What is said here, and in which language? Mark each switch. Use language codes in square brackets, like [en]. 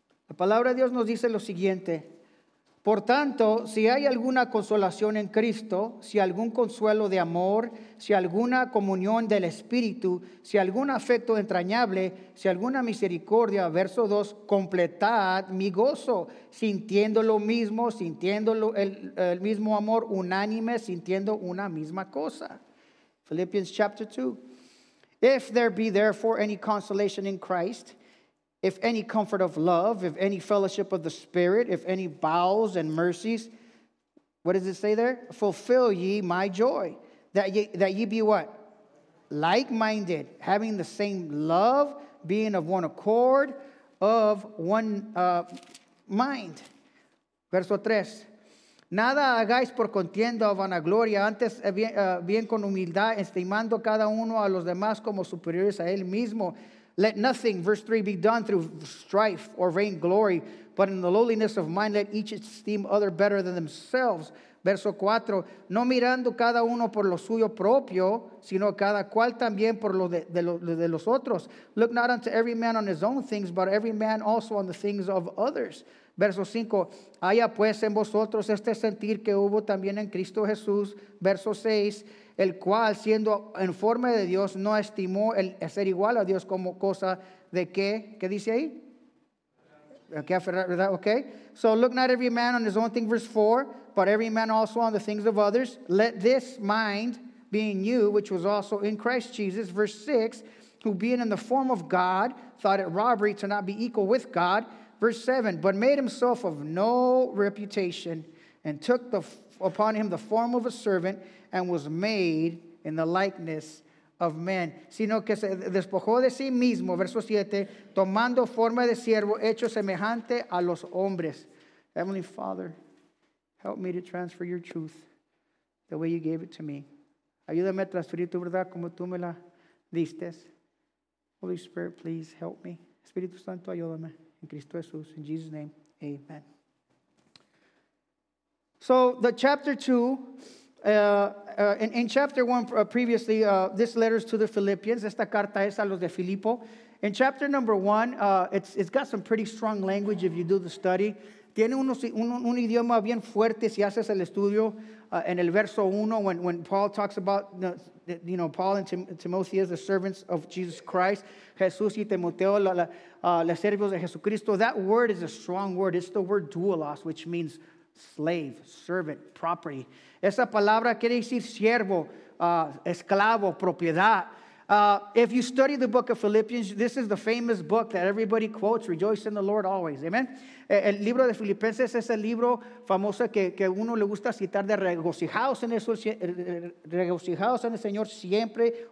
[es] La palabra de Dios nos dice lo siguiente. Por tanto, si hay alguna consolación en Cristo, si algún consuelo de amor, si alguna comunión del Espíritu, si algún afecto entrañable, si alguna misericordia, verso 2, completad mi gozo, sintiendo lo mismo, sintiendo el mismo amor, unánime, sintiendo una misma cosa. [en] Philippians chapter 2. If there be therefore any consolation in Christ, if any comfort of love, if any fellowship of the Spirit, if any bowels and mercies, what does it say there? Fulfill ye my joy, that ye be what? Like-minded, having the same love, being of one accord, of one mind. [es] Verso 3. Nada hagáis por contienda o vanagloria, antes bien con humildad, estimando cada uno a los demás como superiores a él mismo. [en] Let nothing, verse 3, be done through strife or vain glory, but in the lowliness of mind let each esteem other better than themselves. [es] Verso 4, no mirando cada uno por lo suyo propio, sino cada cual también por lo de los otros. [en] Look not unto every man on his own things, but every man also on the things of others. [es] Verso 5, haya pues en vosotros este sentir que hubo también en Cristo Jesús. Verso 6, el cual, siendo en forma de Dios, no estimó el ser igual a Dios como cosa ¿De qué? ¿Qué dice ahí? Okay. [en] So look not every man on his own thing, verse 4, but every man also on the things of others. Let this mind be in you, which was also in Christ Jesus, verse 6, who being in the form of God, thought it robbery to not be equal with God, verse 7, but made himself of no reputation and took upon him the form of a servant and was made in the likeness of men, [es] sino que se despojó de sí mismo, verso 7, tomando forma de siervo, hecho semejante a los hombres. [en] Heavenly Father, help me to transfer your truth the way you gave it to me. [es] Ayúdame a transferir tu verdad como tú me la diste. [en] Holy Spirit, please help me. [es] Espíritu Santo, ayúdame. En Cristo Jesús, [en] in Jesus' name, amen. So, the chapter 2, in chapter 1 previously, this letter is to the Philippians. [es] Esta carta es a los de Filipo. [en] In chapter number 1, it's got some pretty strong language if you do the study. [es] Tiene un idioma bien fuerte si haces el estudio. En el verso 1, [en] when Paul talks about, Paul and Timothy as the servants of Jesus Christ, [es] Jesús y Timoteo, los servos de Jesucristo, [en] that word is a strong word. It's the word doulos, which means slave, servant, property. [es] Esa palabra quiere decir siervo, esclavo, propiedad. [en] If you study the book of Philippians, this is the famous book that everybody quotes, rejoice in the Lord always. Amen. [es] El libro de Filipenses es el libro famoso que uno le gusta citar de regocijaos en el Señor siempre.